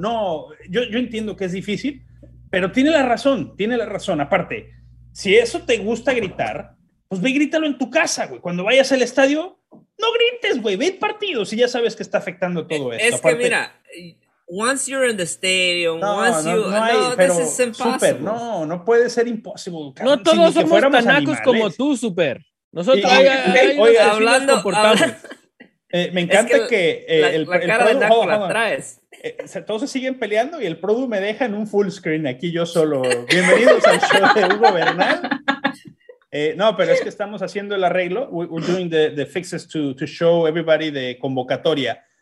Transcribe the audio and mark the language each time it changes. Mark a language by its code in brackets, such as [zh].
[es] No, yo entiendo que es difícil, pero tiene la razón. Aparte, si eso te gusta gritar, pues ve y grítalo en tu casa, güey. Cuando vayas al estadio, no grites, güey. Ve el partido si ya sabes que está afectando todo esto. Es aparte, que mira... [en] Once you're in the stadium, this is impossible. [es] Super, no puede ser imposible. No todos si somos tan nacos como tú, Super. Nosotros hablando. Me encanta que todos se siguen peleando y el Produ me deja en un full screen aquí yo solo. Bienvenidos al show de Hugo Bernal. No, pero es que estamos haciendo el arreglo. [en] We're doing the fixes to show everybody the convocatoria.